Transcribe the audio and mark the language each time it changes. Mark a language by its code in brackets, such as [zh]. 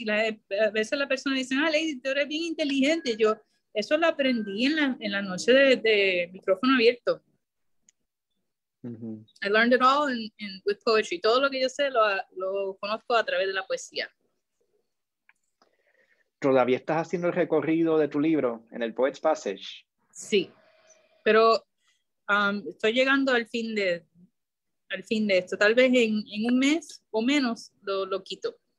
[es] Y a veces la persona dice, ah, Lady, tú eres bien inteligente. Yo, eso lo aprendí en la noche de micrófono abierto. [en] Mm-hmm. I learned it all with poetry. [es] Todo lo que yo sé lo conozco a través de la poesía. ¿Todavía estás haciendo el recorrido de tu libro en el Poet's Passage? Sí, pero estoy llegando al fin de... al fin de esto. Tal vez en un mes o menos lo quito.